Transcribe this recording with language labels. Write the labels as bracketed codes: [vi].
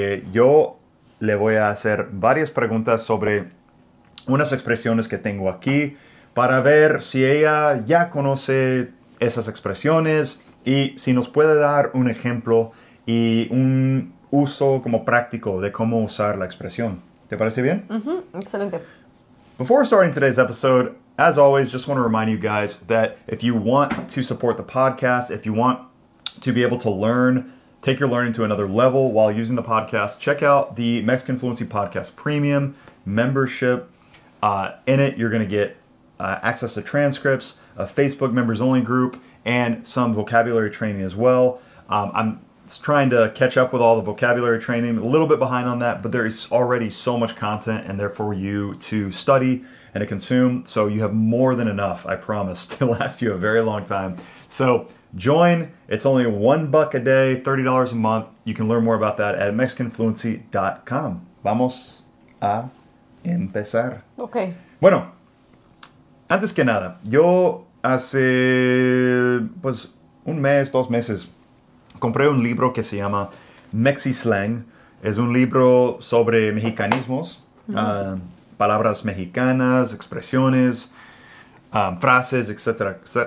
[es] Yo le voy a hacer varias preguntas sobre unas expresiones que tengo aquí para ver si ella ya conoce esas expresiones y si nos puede dar un ejemplo y un uso como práctico de cómo usar la expresión. ¿Te parece bien? Mm-hmm. Excelente. [en] Before starting today's episode, as always, just want to remind you guys that if you want to support the podcast, if you want to be able to learn, take your learning to another level while using the podcast, check out the Mexican Fluency Podcast Premium membership. In it, you're going to get access to transcripts, a Facebook members only group, and some vocabulary training as well. I'm trying to catch up with all the vocabulary training, a little bit behind on that, but there is already so much content and therefore you to study and to consume. So you have more than enough, I promise, to last you a very long time. So join, it's only $1 a day, $30 a month. You can learn more about that at mexicanfluency.com. [es] Vamos a empezar. [en] Okay. [es] Bueno, antes que nada, yo hace pues un mes, dos meses, compré un libro que se llama Mexislang. Es un libro sobre mexicanismos, palabras mexicanas, expresiones, frases, etcétera.